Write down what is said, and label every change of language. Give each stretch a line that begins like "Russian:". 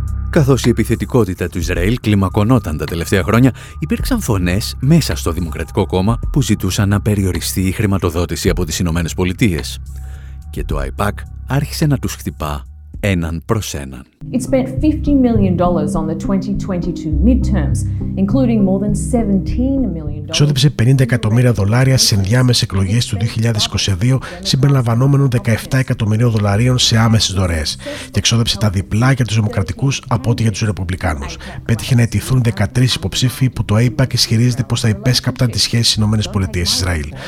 Greek: Καθώς η επιθετικότητα του Ισραήλ κλιμακωνόταν τα τελευταία χρόνια, υπήρξαν φωνές μέσα στο Δημοκρατικό Κόμμα που ζητούσαν να περιοριστεί η χρηματοδότηση από τις Ηνωμένες Πολιτείες. Και το AIPAC άρχισε να τους χτυπά έναν προς έναν.
English: It spent $50 million on the 2022 midterms, including more than $17 million.
Greek: Ξόδεψε 50 εκατομμύρια δολάρια σε ενδιάμεσες εκλογές του 2022, συμπεριλαμβανόμενων 17 εκατομμυρίων δολαρίων σε άμεσες δωρεές. Και ξόδεψε τα διπλά για τους Δημοκρατικούς από ό,τι για τους Ρεπουμπλικάνους. Πέτυχε να ετηθούν 13 υποψήφοι που το AIPAC ισχυρίζεται πως θα υπέσκαπταν τις σχέσεις στις Ηνωμένες Πολιτείες Ισραήλ.